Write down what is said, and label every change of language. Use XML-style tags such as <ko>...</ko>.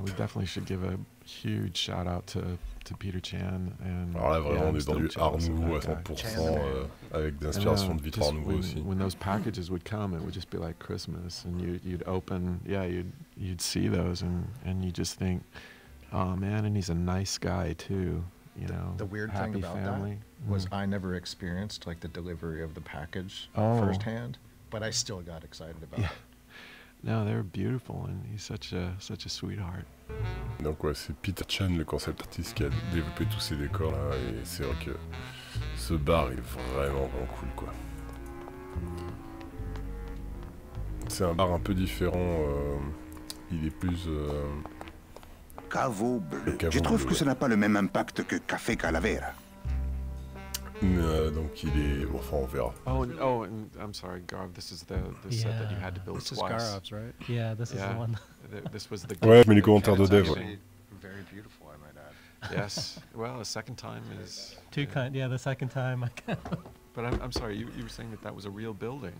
<en>We definitely should give a huge shout out to Peter Chan and.</en> <fr>Alors là vraiment on est dans du art nouveau à 100% avec d'inspiration de Victor Nouveau aussi.</fr> <en>When those packages would come, it would just be like Christmas, and you'd open, yeah, you'd see those, and you just think, oh man, and he's a nice guy too, you know. The weird happy thing about family. That was I never experienced like the delivery of the package firsthand, but I still got excited about it. No, they're beautiful, and he's such a sweetheart.</en> <fr>Donc ouais, c'est Peter Chan, le concept artist, qui a développé tous ces décors là, et c'est vrai que ce bar est vraiment vraiment cool quoi. C'est un bar un peu différent, il est plus Caveau bleu. Je trouve que ça n'a pas le même impact que Café Calavera. Donc il est, enfin on verra.</fr> <en>Oh, I'm sorry, Garv. This is the set that you had to build this twice. This is Garv's, right? Yeah, this is the one. This was the.</en> <fr>Ouais, mais les commentaires de Dev.</fr> <en>Very beautiful, I might add. Yes. Well, a second time is... Yeah, the second time. But I'm sorry, you were saying that was a real building.</en>